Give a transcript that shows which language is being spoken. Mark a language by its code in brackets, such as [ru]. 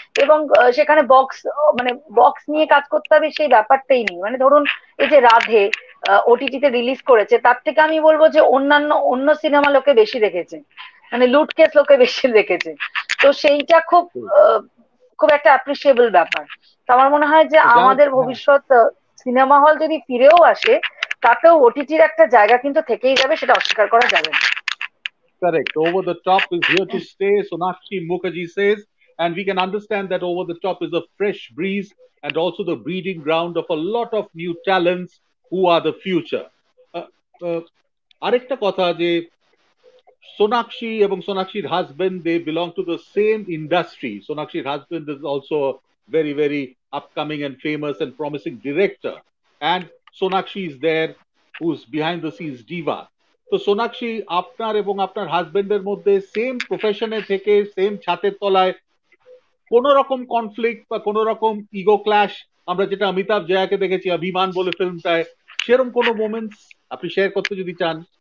[bn] এবং সেখানে বক্স মানে বক্স নিয়ে কাজ করতে হবে সেই ব্যাপারটাই নেই, মানে ধরুন এই যে রাধে ওটিটিতে রিলিজ করেছে, তার থেকে আমি বলবো যে অন্যান্য অন্য সিনেমা লোকে বেশি দেখেছে, মানে লুটকেস লোকে বেশি দেখেছে, তো সেইটা খুব খুব একটা অ্যাপ্রিসিয়েবল ব্যাপার। তো আমার মনে হয় যে আমাদের ভবিষ্যৎ সিনেমা হল যদি ফিরেও আসে, তাতেও ওটিটির একটা জায়গা কিন্তু থেকেই যাবে, সেটা অস্বীকার করা যাবে না। [en] Correct. Over the top is here to stay, Sonakshi Mukherjee says, and we can understand that Over the Top is a fresh breeze and also the breeding ground of a lot of new talents who are the future. [bn] Arekta kotha je Sonakshi ebong Sonakshir husband, [en] they belong to the same industry. Sonakshir husband is also a very, very upcoming and famous and promising director, and Sonakshi is there, who's behind the scenes diva. [bn] তো সোনাক্ষী, আপনার এবং আপনার হাজবেন্ডের মধ্যে same প্রফেশনে থেকে same ছাতের তলায় কোন রকম কনফ্লিক্ট বা কোন রকম ইগো ক্ল্যাশ, আমরা যেটা অমিতাভ জয়াকে দেখেছি অভিমান বলে ফিল্মটায়, সেরকম কোন মোমেন্টস আপনি শেয়ার করতে যদি চান?